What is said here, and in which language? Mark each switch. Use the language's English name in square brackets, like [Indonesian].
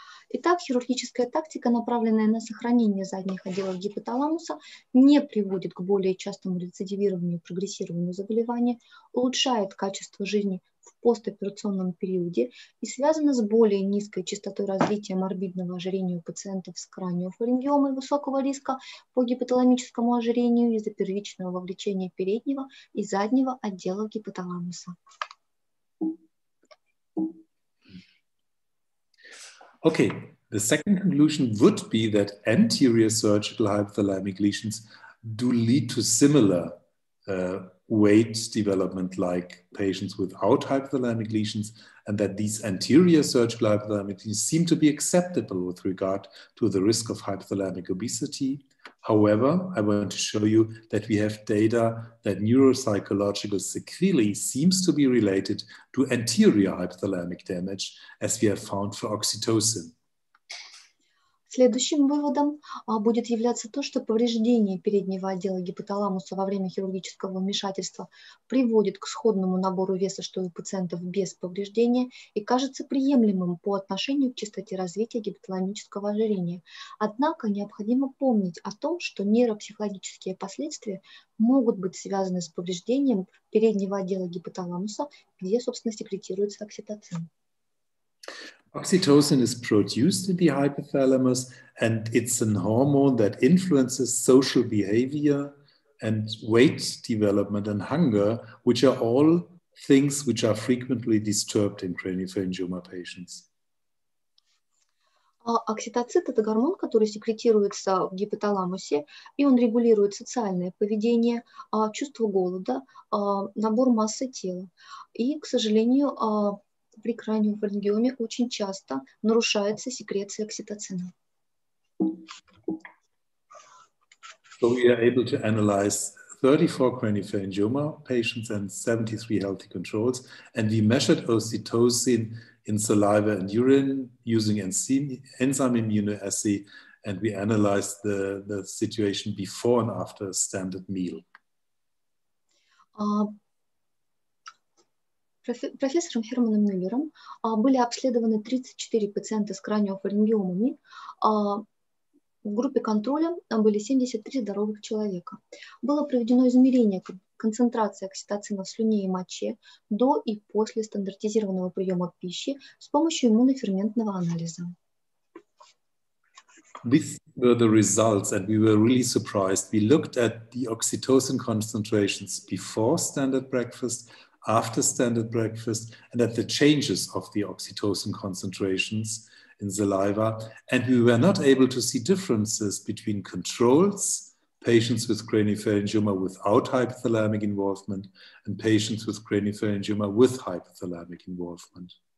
[Russian] Итак, хирургическая тактика, направленная на сохранение задних отделов гипоталамуса, не приводит к более частому рецидивированию и прогрессированию заболевания, улучшает качество жизни в в постоперационном периоде и связана с более низкой частотой развития морбидного ожирения у пациентов с краниофарингиомой высокого риска по гипоталамическому ожирению из-за первичного вовлечения переднего и заднего отдела гипоталамуса. [English] Okay, the second conclusion would be that anterior surgical hypothalamic lesions do lead to similar weight development like patients without hypothalamic lesions, and that these anterior surgical hypothalamic lesions seem to be acceptable with regard to the risk of hypothalamic obesity. However, I want to show you that we have data that neuropsychological sequelae seems to be related to anterior hypothalamic damage, as we have found for oxytocin. [Russian] Следующим выводом будет являться то, что повреждение переднего отдела гипоталамуса во время хирургического вмешательства приводит к сходному набору веса, что у пациентов без повреждения, и кажется приемлемым по отношению к частоте развития гипоталамического ожирения. Однако необходимо помнить о том, что нейропсихологические последствия могут быть связаны с повреждением переднего отдела гипоталамуса, где, собственно, секретируется окситоцин. [English] Oxytocin is produced in the hypothalamus, and it's an hormone that influences social behavior and weight development and hunger, which are all things which are frequently disturbed in craniopharyngioma patients. [Russian] Окситоцин – это гормон, который секретируется в гипоталамусе, и он регулирует социальное поведение, чувство голода, набор массы тела. И, к сожалению, при краниофарингиоме очень часто нарушается секреция окситоцина. [English] So we are able to analyze 34 craniopharyngioma patients and 73 healthy controls, and we measured oxytocin in saliva and urine using enzyme immunoassay, and we analyzed the situation before and after a standard meal. [Russian] Профессором Херманом Мюллером были обследованы 34 пациента с краниофарингиомами. В группе контроля были 73 здоровых человека. Было проведено измерение концентрации окситоцина в слюне и моче до и после стандартизированного приема пищи с помощью иммуноферментного анализа. [English] These were the results, and we were really surprised. We looked at the oxytocin concentrations before standard breakfast, after standard breakfast, and at the changes of the oxytocin concentrations in saliva. And we were not able to see differences between controls, patients with craniopharyngioma without hypothalamic involvement, and patients with craniopharyngioma with hypothalamic involvement.